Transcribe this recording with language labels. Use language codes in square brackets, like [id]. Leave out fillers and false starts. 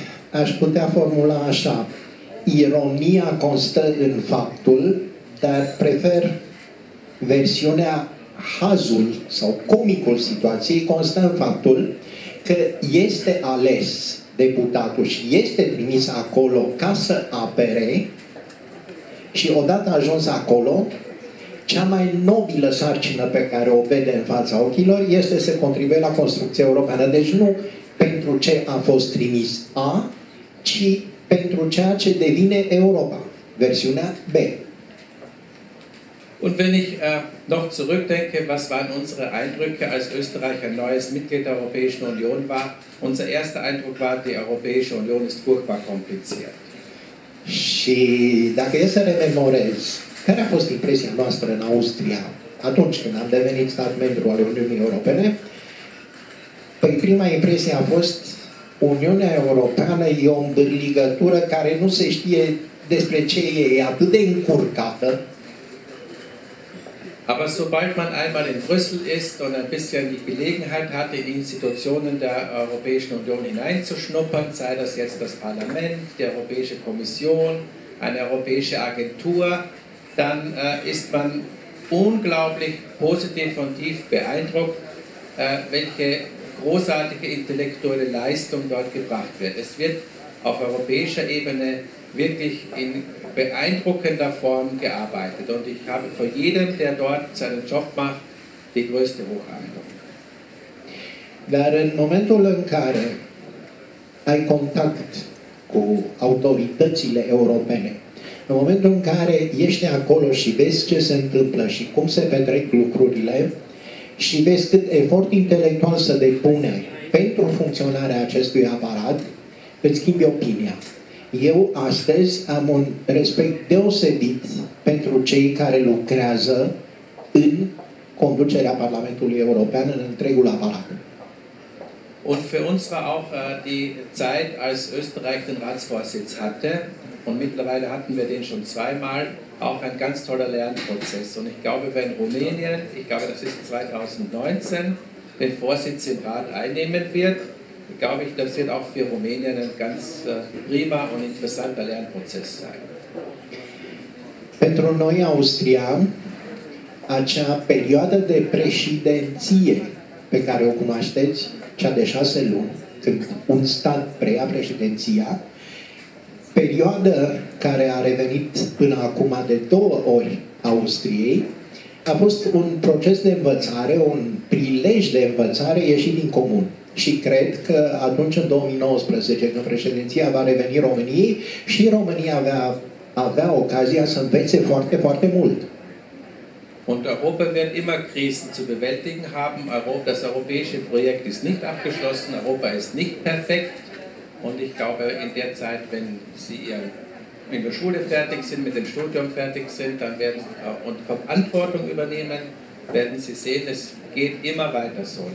[ro] Aș putea formula așa, ironia constă în faptul, dar prefer versiunea hazul sau comicul situației constă în faptul că este ales deputatul și este trimis acolo ca să apere și odată ajuns acolo, cea mai nobilă sarcină pe care o vede în fața ochilor este să contribuie la construcția europeană. Deci nu pentru ce a fost trimis A, ci pentru ceea ce devine Europa, versiunea B. [de] Und wenn ich noch zurückdenke, was waren unsere Eindrücke, als Österreich ein neues Mitglied der Europäischen Union war? Unser erster Eindruck war, die Europäische Union ist furchtbar kompliziert. [ro] Și dacă e să rememorez, care a fost impresia noastră în Austria atunci când am devenit stat membru al Uniunii Europene? Păi prima impresie a fost, Uniunea Europeană e o îmbârligătură care nu se știe despre ce e, e atât de încurcată. [de] Aber sobald man einmal in Brüssel ist und ein bisschen die Gelegenheit hat, in die Institutionen der Europäischen Union hineinzuschnuppern, sei das jetzt das Parlament, die Europäische Kommission, eine europäische Agentur, dann ist man unglaublich positiv und tief beeindruckt, welche großartige intellektuelle Leistung dort gebracht wird. Es wird auf europäischer Ebene wirklich in beeindruckender Form gearbeitet. Und ich habe vor jedem, der dort seinen Job macht, die größte Hochachtung. [ro] Dar în momentul în care ai contact cu autoritățile europene, în momentul în care ești acolo și vezi ce se întâmplă și cum se petrec lucrurile și vezi cât efort intelectual se depune pentru funcționarea acestui aparat, îți schimbi opinia. Eu astăzi am un respect deosebit pentru cei care lucrează în conducerea Parlamentului European, în întregul aparat. [de] Und für uns war auch die Zeit, als Österreich den Ratsvorsitz hatte, und mittlerweile hatten wir den schon zweimal, auch ein ganz toller Lernprozess. Und ich glaube, wenn Rumänien, ich glaube, das ist 2019, den Vorsitz im Rat einnehmen wird, glaube ich, das wird auch für Rumänien ein ganz prima und interessanter Lernprozess sein. [ro] Pentru noi, Austria, acea perioadă de președinție pe care o cunoașteți, cea de 6 luni, când un stat preia președinția, perioadă care a revenit până acum de 2 ori Austriei, a fost un proces de învățare, un prilej de învățare ieșit din comun. Și cred că atunci, în 2019, când președinția va reveni României, și România avea ocazia să învețe foarte, foarte mult. [de] Und Europa wird immer Krisen zu bewältigen haben. Das europäische Projekt ist nicht abgeschlossen. Europa ist nicht perfekt. Und ich glaube, in der Zeit, wenn Sie in der Schule fertig sind, mit dem Studium fertig sind, dann werden und Verantwortung übernehmen, werden Sie sehen, es geht immer weiter so.